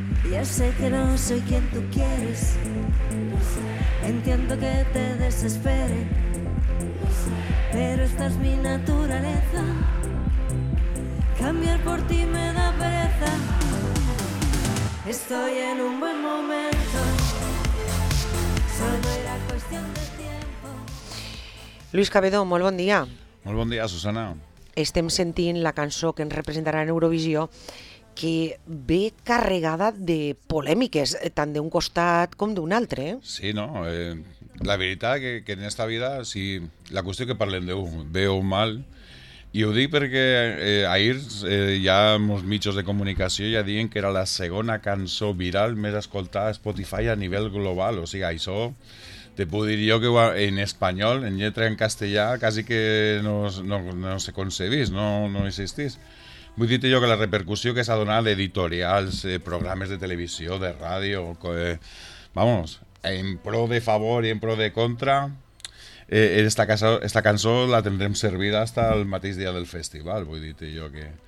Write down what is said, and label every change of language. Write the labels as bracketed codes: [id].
[es] Ya sé que no soy quien tú quieres. Entiendo que te desespere, pero esta es mi naturaleza. Cambiar por ti me da pereza. Estoy en un buen momento. Solo era cuestión de tiempo. [ca] Luis Cabedó, molt bon dia. Molt bon dia, Susana. Estem sentint la cançó que ens representarà en Eurovisió, que ve carregada de polèmiques, tant d'un costat com d'un altre. Sí, no? La veritat que en esta vida, si la qüestió que parlem de bé o mal, i ho dic perquè ahir ja molts mitjans de comunicació ja diuen que era la segona cançó viral més escoltada a Spotify a nivell global, o sigui, això... [es] Te puedo decir yo que en español, en letra en castellà, casi que no se concebís, no existís. [ca] Vull dir-te jo que la repercussió que s'ha donat d'editorials, programes de televisió, de ràdio, vamos, en pro de favor i en pro de contra, esta cançó la tindrem servida hasta el mateix dia del festival, vull dir-te jo que...